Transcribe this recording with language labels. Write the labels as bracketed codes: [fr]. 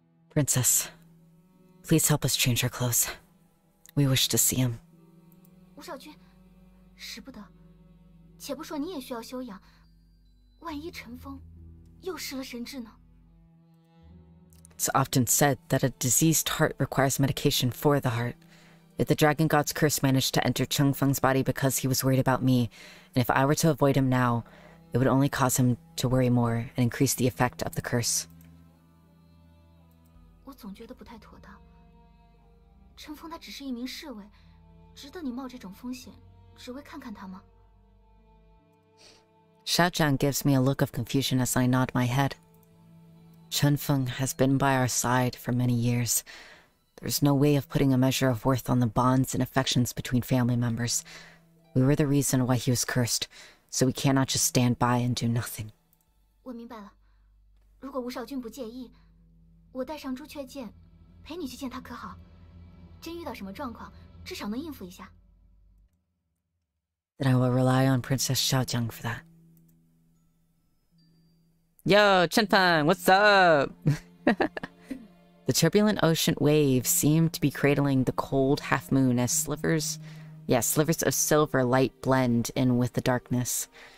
[en] Princess, please help us change our clothes. We wish to see him. [zh] 吴少君，使不得。且不说你也需要休养，万一陈峰又失了神智呢？ [en] It's often said that a diseased heart requires medication for the heart. If the dragon god's curse managed to enter Cheng Feng's body because he was worried about me, and if I were to avoid him now, it would only cause him to worry more and increase the effect of the curse. [zh] 我总觉得不太妥当。陈峰他只是一名侍卫，值得你冒这种风险，只为看看他吗？ [en] Xiaoqiang gives me a look of confusion as I nod my head. Chen Feng has been by our side for many years. There's no way of putting a measure of worth on the bonds and affections between family members. We were the reason why he was cursed, so we cannot just stand by and do nothing. [zh] 我明白了。如果吴少君不介意，我带上朱雀剑，陪你去见他可好？真遇到什么状况，至少能应付一下。 [en] Then I will rely on Princess Xiaojiang for that. Yo, Chen Feng, what's up? The turbulent ocean waves seem to be cradling the cold half moon as slivers of silver light blend in with the darkness.